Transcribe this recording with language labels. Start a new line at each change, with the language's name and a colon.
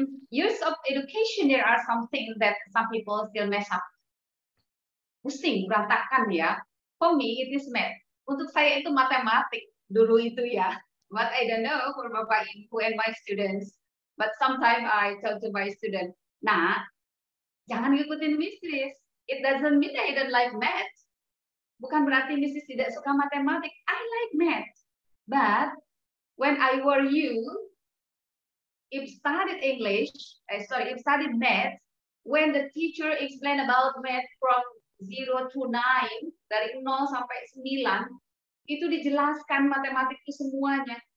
English: Use of education, there are some things that some people still mess up.
Indonesian: Pusing, berantakan ya.
English: For me, it is math.
Indonesian: Untuk saya itu matematik dulu itu ya.
English: But I don't know for Bapak Ibu and my students. But sometimes I tell to my student, nah,
Indonesian: jangan ngikutin
English: mistress. It doesn't mean that I don't like math.
Indonesian: Bukan berarti Mrs. tidak suka matematik.
English: I like math. But when I were you, if studied math, when the teacher explain about math from 0 to 9,
Indonesian: dari 0 sampai 9, itu dijelaskan matematik itu semuanya.